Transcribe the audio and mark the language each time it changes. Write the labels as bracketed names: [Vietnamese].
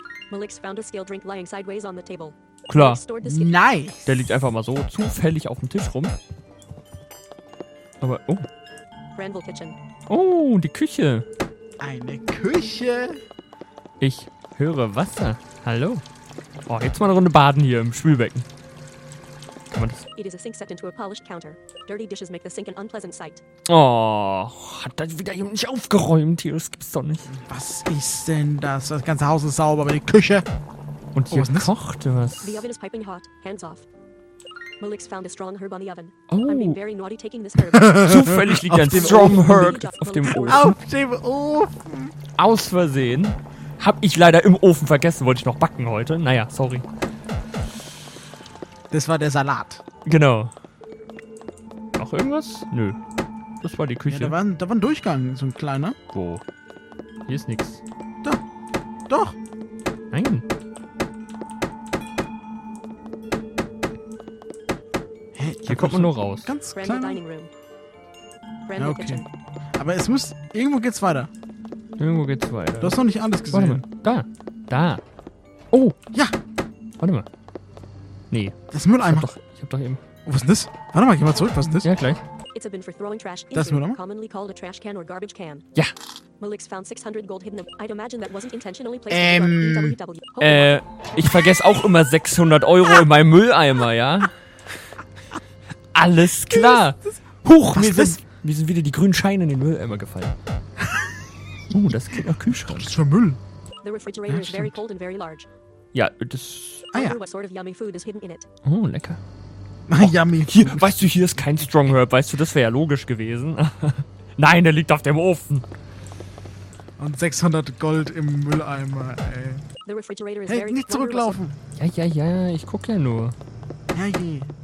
[English] Malix found a scale drink lying sideways on the table. [German] Klar. [English] Nice. [German] Der liegt einfach mal so zufällig auf dem Tisch rum. Aber, oh. [English] Granville Kitchen. [German] Oh, die Küche. Eine Küche. Ich höre Wasser. Hallo. Oh, jetzt mal eine Runde baden hier im Spülbecken. Kann man das? [English] It is a sink set into a polished counter. Dirty dishes make the sink an unpleasant sight. [German] Oh, hat da wieder jemand nicht aufgeräumt hier? Das gibt's doch nicht. Was ist denn das? Das ganze Haus ist sauber, aber die Küche. Und hier kocht was. [English] The oven is piping hot. Hands off. Malix found a strong herb on the oven. Oh. I'm being very naughty taking this herb. [German] Zufällig liegt ein strong herb auf dem Ofen. Auf dem Ofen. Aus Versehen. Hab ich leider im Ofen vergessen, wollte ich noch backen heute. Naja, sorry. Das war der Salat. Genau. Noch irgendwas? Nö. Das war die Küche. Ja, da war ein Durchgang, so ein kleiner. Wo? Hier ist nichts. Doch. Nein. Hä? Hier kommt man nur raus. Ganz klein. Ja, okay. Aber es muss... Irgendwo geht's weiter. Du hast noch nicht alles gesehen. Warte mal. Da. Oh. Ja. Warte mal. Nee. Das ist Mülleimer. Ich hab doch eben... Oh, was ist denn das? Warte mal, geh mal zurück. Was ist denn das? Ja, gleich. [English] It's a bin for throwing trash. [German] Das ist Mülleimer? [English] Commonly called a trash can or garbage can. [German] Ja. [English] Malix found 600 gold hidden. I'd imagine that wasn't intentionally placed [German] ich vergesse auch immer 600 Euro in meinem Mülleimer, ja? Alles klar. Huch, mir sind wieder die grünen Scheine in den Mülleimer gefallen. Das klingt nach Kühlschrank. Das ist schon Müll. [English] The refrigerator is very cold and very large. [German] Ja, das... Ah ja. [English] What sort of yummy food is hidden in it? [German] Oh, lecker. Miami. Oh, hier, weißt du, hier ist kein Strong Herb, weißt du, das wäre ja logisch gewesen. Nein, der liegt auf dem Ofen. Und 600 Gold im Mülleimer, ey. [English] The refrigerator is very [German] nicht zurücklaufen. Ja, ich guck ja nur. Ja, je.